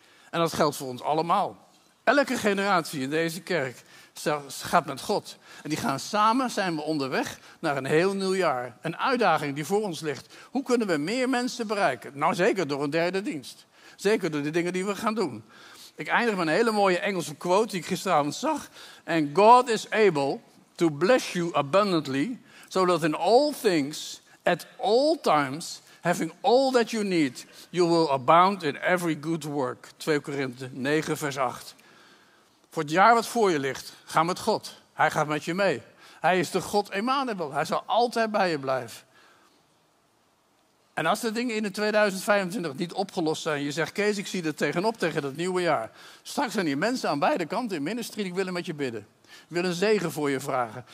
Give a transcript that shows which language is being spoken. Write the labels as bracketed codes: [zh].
[nl] En dat geldt voor ons allemaal. Elke generatie in deze kerk gaat met God. En die gaan samen, zijn we onderweg naar een heel nieuw jaar. Een uitdaging die voor ons ligt. Hoe kunnen we meer mensen bereiken? Nou, zeker door een derde dienst. Zeker door de dingen die we gaan doen. Ik eindig met een hele mooie Engelse quote die ik gisteravond zag. [en] And God is able to bless you abundantly, so that in all things, at all times, having all that you need, you will abound in every good work. [nl] 2 Korinthe 9, vers 8. Voor het jaar wat voor je ligt, ga met God. Hij gaat met je mee. Hij is de God Emmanuel. Hij zal altijd bij je blijven. En als de dingen in 2025 niet opgelost zijn, je zegt, Kees, ik zie er tegenop tegen dat nieuwe jaar. Straks zijn hier mensen aan beide kanten in ministry die willen met je bidden. Ik wil een zegen voor je vragen.